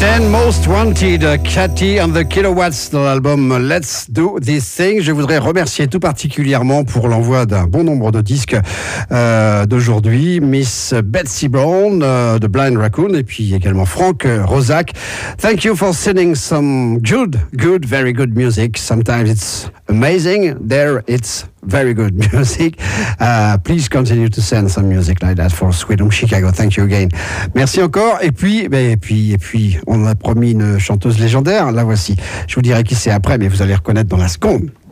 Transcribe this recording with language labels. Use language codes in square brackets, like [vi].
[fr] Most Wanted, Cathy and the Kilowatts dans l'album Let's Do This Thing. Je voudrais remercier tout particulièrement pour l'envoi d'un bon nombre de disques d'aujourd'hui, Miss Betsy Brown de Blind Raccoon et puis également Frank Rozak. [en] Thank you for sending some good, very good music. Sometimes it's amazing, there it's very good music. Please continue to send some music like that for Sweet Home Chicago. Thank you again. [fr] Merci encore. Et puis, on a promis une chanteuse légendaire. La voici. Je vous dirai qui c'est après, mais vous allez reconnaître dans la seconde.